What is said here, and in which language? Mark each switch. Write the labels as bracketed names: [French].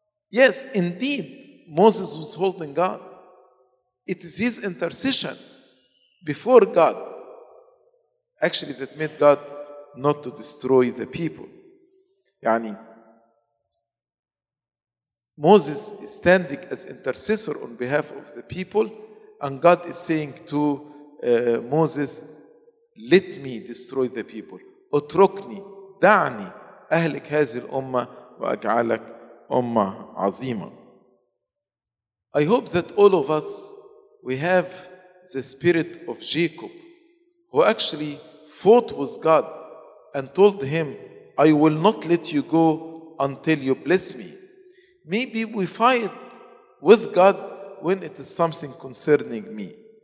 [English] Yes, indeed, Moses was holding God. It is his intercession before God, actually, that made God not to destroy the people. يعني, Moses is standing as intercessor on behalf of the people, and God is saying to Moses, let me destroy the people. [Arabic] اتركني, دعني أهلك هذه الأمة وأجعلك أمة عظيمة. [English] I hope that all of us, we have the spirit of Jacob, who actually fought with God and told him, I will not let you go until you bless me. Maybe we fight with God when it is something concerning me.